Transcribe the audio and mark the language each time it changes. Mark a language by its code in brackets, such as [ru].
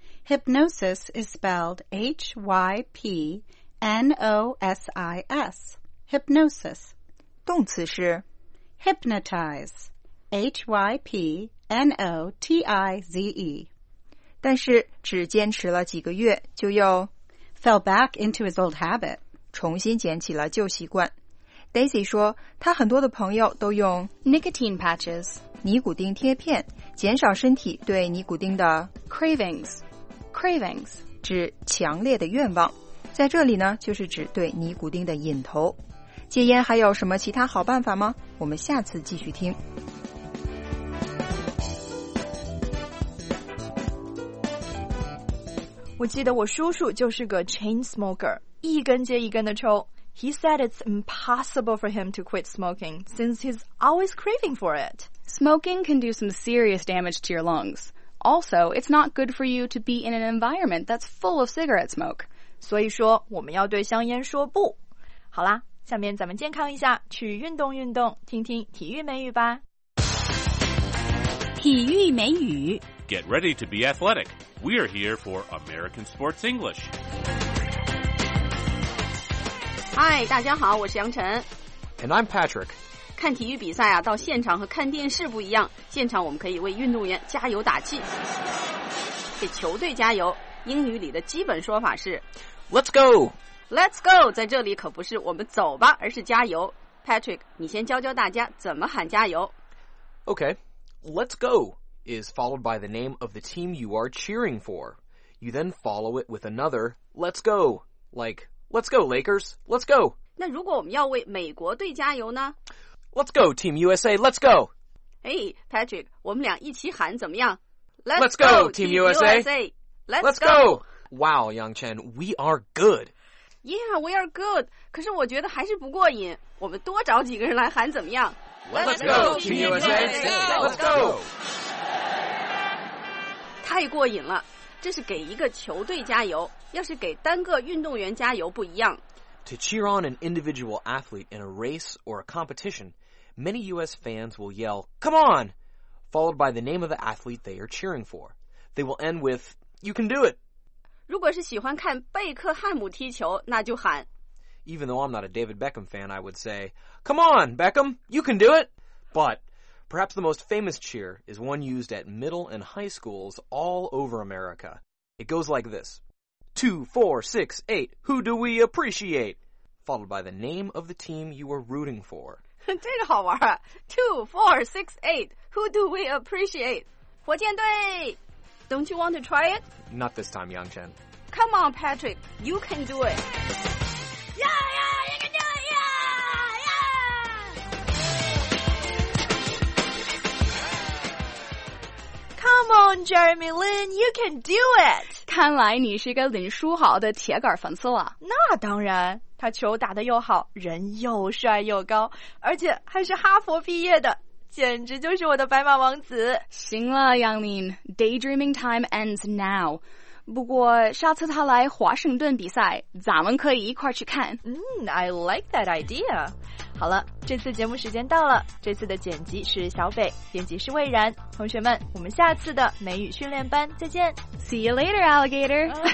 [en] Hypnosis is spelled H-Y-P-N-O-S-I-S, hypnosis. [zh] 动词是 [en] hypnotize, H-Y-P-N-O-T-I-Z-E. [zh] 但是只坚持了几个月就又 [en] fell back into his old habit. [zh] 重新捡起了旧习惯。 Daisy 说他很多的朋友都用 [en] nicotine patches, [zh] 尼古丁贴片减少身体对尼古丁的 [en] cravings, [zh] 指强烈的愿望。在这里呢就是指对尼古丁的瘾头。戒烟还有什么其他好办法吗？我们下次继续听。我记得我叔叔就是个 chain smoker, 一根接一根的抽。 [en] He said it's impossible for him to quit smoking since he's always craving for it. Smoking can do some serious damage to your lungs. Also, it's not good for you to be in an environment that's full of cigarette smoke. [zh] 所以说我们要对香烟说不。好啦，下面咱们健康一下，去运动运动，听听体育美语吧。体育美语。 [en] Get ready to be athletic. We are here for American Sports English. [zh] Hi, 大家好，我是杨晨。 [en] And I'm Patrick. [zh] 看体育比赛啊，到现场和看电视不一样，现场我们可以为运动员加油打气，给球队加油。英语里的基本说法是 [en] Let's go! Let's go! [zh] 在这里可不是我们走吧，而是加油。Patrick, 你先教教大家怎么喊加油。 [en] Okay, let's go is followed by the name of the team you are cheering for. You then follow it with another, let's go. Like, let's go Lakers, let's go. 那如果我们要为美国队加油呢？ Let's go Team USA, let's go! [zh] Hey, Patrick, 我们俩一起喊怎么样？ [en] Let's go Team USA! Let's go! Wow, Yangchen, we are good. Yeah, we are good. [zh] 可是我觉得还是不过瘾。我们多找几个人来喊怎么样？ [en] Let's go, Team USA! Let's go! [zh] 太过瘾了。这是给一个球队加油，要是给单个运动员加油不一样。 [en] To cheer on an individual athlete in a race or a competition, many U.S. fans will yell, Come on! Followed by the name of the athlete they are cheering for. They will end with... You can do it. [zh] 如果是喜欢看贝克汉姆踢球，那就喊。 [en] Even though I'm not a David Beckham fan, I would say, Come on, Beckham, you can do it. But perhaps the most famous cheer is one used at middle and high schools all over America. It goes like this. 2, 4, 6, 8, who do we appreciate? Followed by the name of the team you are rooting for. [zh] 这个好玩啊。 [en] 2, 4, 6, 8, who do we appreciate? [zh] 火箭队。 [en] Don't you want to try it? Not this time, Yangchen. Come on, Patrick. You can do it. Yeah, yeah, you can do it, yeah, yeah! Come on, Jeremy Lin, you can do it! [zh] 看来你是一个林书豪的铁杆粉丝了。那当然，他球打得又好，人又帅又高，而且还是哈佛毕业的。简直就是我的白马王子。行了， [en] 杨林 ，daydreaming time ends now. [zh] 不过下次他来华盛顿比赛，咱们可以一块去看。 [en] I like that idea. [zh] 好了，这次节目时间到了。这次的剪辑是小北，编辑是蔚然。同学们，我们下次的美语训练班再见。 [en] See you later, alligator.